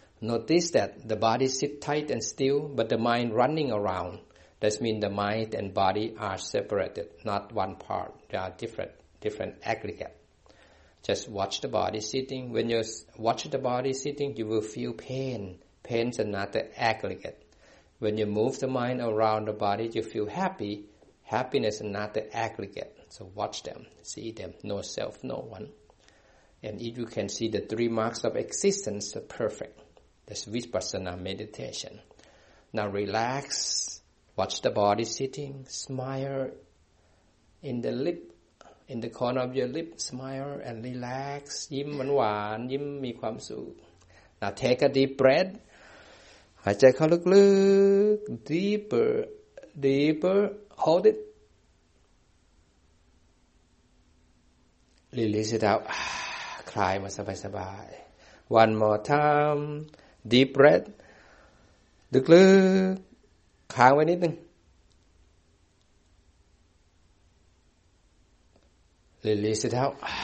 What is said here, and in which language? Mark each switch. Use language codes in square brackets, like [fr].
[en] Notice that the body sit tight and still but the mind running around That means the mind and body are separated not one part they are different aggregate Just watch the body sitting when you watch the body sitting you will feel pain is another aggregate when you move the mind around the body you feel happiness is another aggregate so watch them see them no self no oneAnd if you can see the three marks of existence are perfect, that's Vipassana meditation. Now relax, watch the body sitting, smile in the lip, in the corner of your lip, smile and relax. [th] ยิ้มหวานๆ ยิ้มมีความสุข [en] Now take a deep breath. [th] หายใจเข้าลึกๆ [en] deeper, deeper, hold it, release it out, [th] คลายมาสบายสบาย [en] one more time, deep breath, [th] ลึกๆค้างไว้นิดนึง [en] release it out,